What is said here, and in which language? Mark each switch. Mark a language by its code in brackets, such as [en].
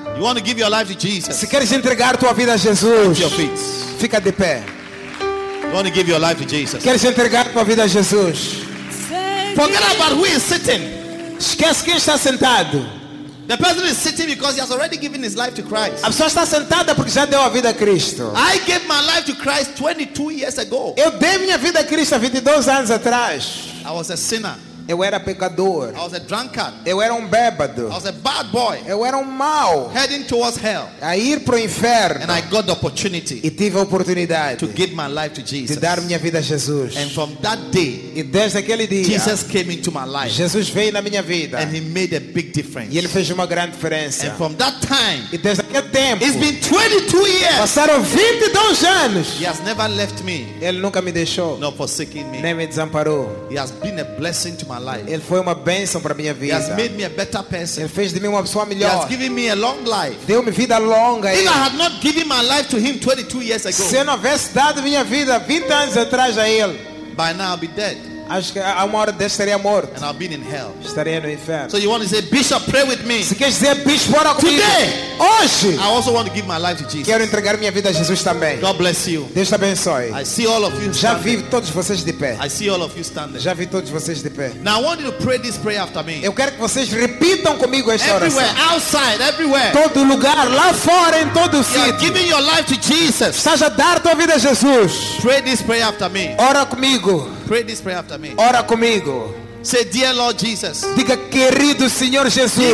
[en] You want to give your life to Jesus. [pt] Se queres entregar tua vida a Jesus. [en] Your feet. [pt] Fica de pé. [en] You want to give your life to Jesus. [pt] Queres entregar tua vida a Jesus. [en] Forget about who is sitting. [pt] Esquece quem está sentado. [en] The person is sitting because he has already given his life to Christ. [pt] A pessoa está sentada porque já deu a vida a Cristo. [en] I gave my life to Christ 22 years ago. [pt] Eu dei minha vida a Cristo há 22 anos atrás. [en] I was a sinner. [pt] Eu era pecador. [en] I was a drunkard. [pt] Eu era bêbado. [en] I was a bad boy. [pt] Eu era mau. [en] Heading towards hell. [pt] A ir pro inferno. [en] And I got the opportunity. [pt] E tive a oportunidade. [en] To give my life to Jesus. [pt] De dar minha vida a Jesus. [en] And from that day, [pt] e desde aquele dia, [en] Jesus came into my life. [pt] Jesus veio na minha vida. [en] And he made a big difference. [pt] E ele fez uma grande diferença. [en] And from that time, [pt] e desde aquele tempo, [en] it's been 22 years. [pt] Passaram 22 anos. [en] He has never left me. [pt] Ele nunca me deixou. [en] Not forsaking me. [pt] Nem me desamparou. [en] He has been a blessing to my life. [pt] Ele foi uma bênção para minha vida. [en] He has made me a better person. [pt] Ele fez de mim uma pessoa melhor. [en] He has given me a long life. [pt] Deu-me vida longa. [en] If I had not given my life to him 22 years ago, [pt] se eu não tivesse dado minha vida 20 anos atrás a ele, [en] by now I'll be dead. [pt] Acho que a uma hora dessa estaria morto. [en] And I'll be in hell. [pt] Estaria no inferno. [en] So you want to say, Bishop, pray with me. [pt] Se quer dizer, Bishop, ora comigo. [en] Today, [pt] hoje, [en] I also want to give my life to Jesus. [pt] Quero entregar minha vida a Jesus também. [en] God bless you. [pt] Deus te abençoe. [en] I see all of you [pt] já vi todos vocês de pé. [en] I see all of you standing. [pt] Já vi todos vocês de pé. [en] Now I want you to pray this prayer after me. [pt] Eu quero que vocês repitam comigo esta oração. [en] Everywhere, outside, everywhere. [pt] Todo lugar, lá fora, em todo sítio. [en] You are giving your life to Jesus. [pt] Estás a dar tua vida a Jesus. [en] Pray this prayer after me. [pt] Ora comigo. [en] Pray this prayer after me. [pt] Ora comigo. [en] Say, dear Lord Jesus. [pt] Diga, querido Senhor Jesus.